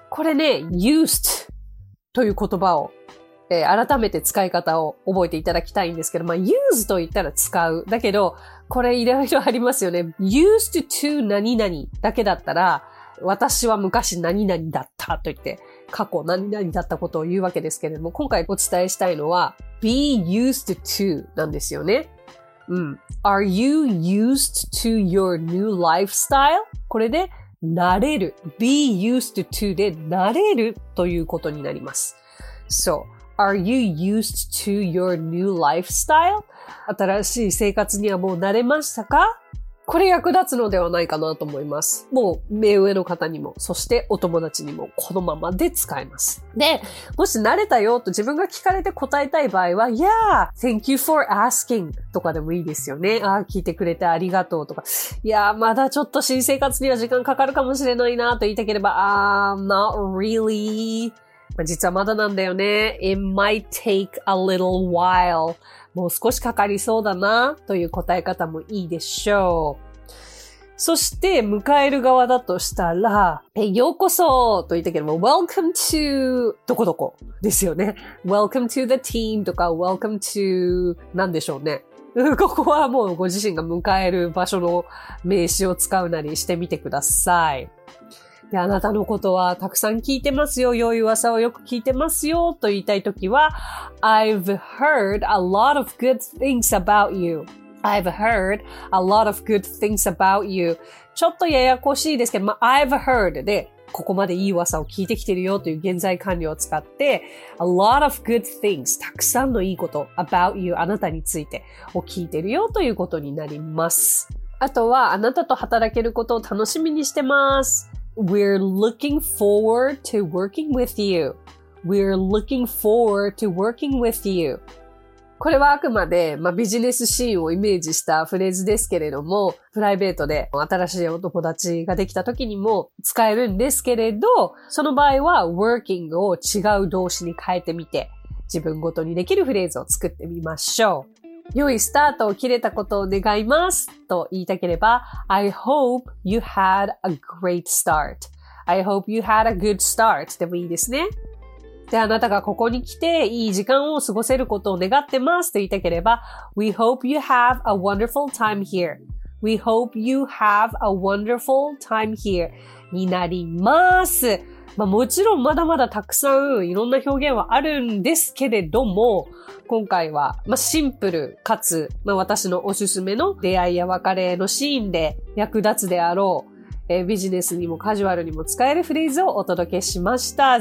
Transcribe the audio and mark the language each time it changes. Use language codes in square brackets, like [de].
[ja] これね、used という言葉を改めて使い方を覚えていただきたいんですけど、まあ、use と言ったら使う。だけど、これいろいろありますよね。used to 何々だけだったら、私は昔何々だったと言って、過去何々だったことを言うわけですけれども、今回お伝えしたいのは、be used to なんですよね。うん。 [en] are you used to your new lifestyle? [ja] これで、慣れる。 be used to で慣れるということになります。そう。 [en] Are you used to your new lifestyle? [ja] 新しい生活にはもう慣れましたか？これ役立つのではないかなと思います。もう目上の方にも、そしてお友達にもこのままで使えます。で、もし慣れたよと自分が聞かれて答えたい場合は、 [en] Yeah! Thank you for asking! [ja] とかでもいいですよね。ああ、聞いてくれてありがとうとか。いやー、まだちょっと新生活には時間かかるかもしれないなと言いたければ、 [en] not really. [ja] 実はまだなんだよね。 [en] It might take a little while. [ja] もう少しかかりそうだなという答え方もいいでしょう。そして迎える側だとしたら、ようこそと言ったけども、Welcome to どこどこですよね。 [en] Welcome to the team [ja] とか Welcome to なんでしょうね。ここはもうご自身が迎える場所の名詞を使うなりしてみてください。で、あなたのことはたくさん聞いてますよ。良い噂をよく聞いてますよ。と言いたいときは、 [en] I've heard a lot of good things about you. I've heard a lot of good things about you. [ja] ちょっとややこしいですけど、I've heard で、ここまで良い噂を聞いてきてるよという現在完了を使って、 [en] a lot of good things、 [ja] たくさんの良いこと、about you、あなたについてを聞いてるよということになります。あとは、あなたと働けることを楽しみにしてます。 [en] We're looking forward to working with you. We're looking forward to working with you. [ja] これはあくまで、まあ、ビジネスシーンをイメージしたフレーズですけれども、プライベートで新しいお友達ができた時にも使えるんですけれど、その場合は working を違う動詞に変えてみて、自分ごとにできるフレーズを作ってみましょう。良いスタートを切れたことを願いますと言いたければ [en] I hope you had a great start. I hope you had a good start. [ja] でもいいですね。で、あなたがここに来ていい時間を過ごせることを願ってますと言いたければ [en] We hope you have a wonderful time here. We hope you have a wonderful time here. [ja] になります。まあ、もちろんまだまだたくさんいろんな表現はあるんですけれども、今回は、まあ、シンプルかつ、まあ、私のおすすめの出会いや別れのシーンで役立つであろう、ビジネスにもカジュアルにも使えるフレーズをお届けしました。